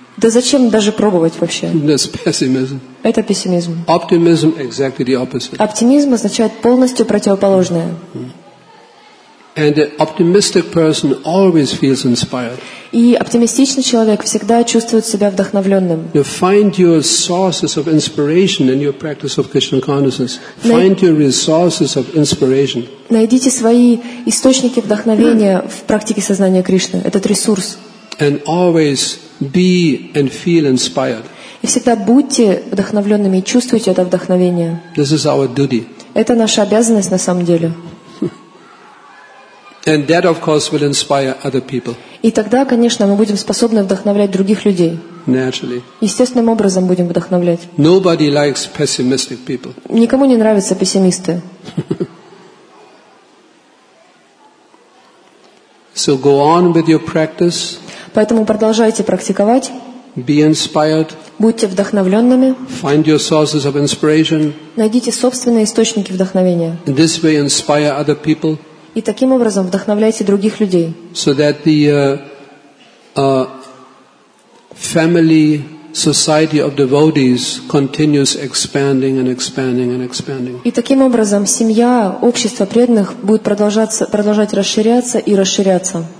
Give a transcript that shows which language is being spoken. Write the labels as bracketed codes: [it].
[ru] Да зачем даже пробовать вообще? [en] That's pessimism. [ru] Это пессимизм. [en] Optimism exactly the opposite. [ru] Оптимизм означает полностью противоположное. [en] And an optimistic person always feels inspired. [ru] И оптимистичный человек всегда чувствует себя вдохновленным. [en] You find your sources of inspiration in your practice of Krishna consciousness. Find your resources of inspiration. [ru] Найдите свои источники вдохновения в практике сознания Кришны, этот ресурс. [en] And always be and feel inspired. [ru] И всегда будьте вдохновленными и чувствуйте это вдохновение. [en] This is our duty. [ru] Это наша обязанность на самом деле. [en] And that, of course, will inspire other people. [ru] И тогда, конечно, мы будем способны вдохновлять других людей. [en] naturally. [ru] Естественным образом будем вдохновлять. [en] Nobody likes pessimistic people. [ru] Никому не нравятся пессимисты. [en] So go on with your practice. [ru] Поэтому продолжайте практиковать. [en] Be inspired. [ru] Будьте вдохновленными. [en] Find your sources of inspiration. [ru] Найдите собственные источники вдохновения. [en] In this way, inspire other people. [ru] И таким образом вдохновляйте других людей. [en] So that the family society of devotees continues expanding and expanding and expanding. [ru] И таким образом семья, общество преданных будет продолжать расширяться и расширяться.